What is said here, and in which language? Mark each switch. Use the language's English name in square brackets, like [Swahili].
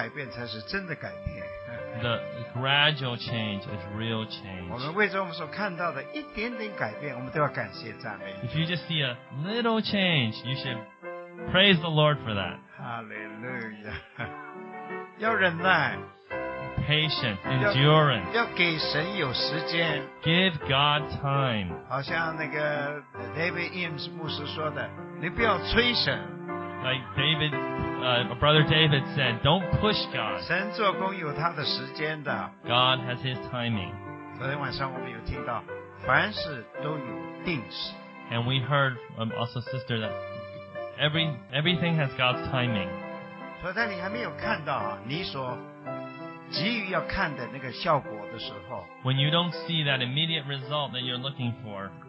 [Chinese] 那个慢慢的改变才是真的改变。The [English] gradual change is real change. [Chinese] 我们为着我们所看到的一点点改变，我们都要感谢赞美。If [English] you just see a little change, you should praise the Lord for that. [Chinese] Hallelujah！要忍耐。 [English] Patience, endurance. [Chinese] 要给神有时间, [English] give God time. [Chinese] 好像那个 David Eames 牧师说的, 你不要催神, [English] like David, Brother David said, don't push God. [Chinese] 神做工有他的时间的, [English] God has His timing. [Chinese] 昨天晚上我们有听到, 凡事都有定时, [English] and we heard also, sister, that everything has God's timing. [Chinese] 所以在你还没有看到啊，你说。急于要看的那个效果的时候, [English] when you don't see that immediate result that you're looking for,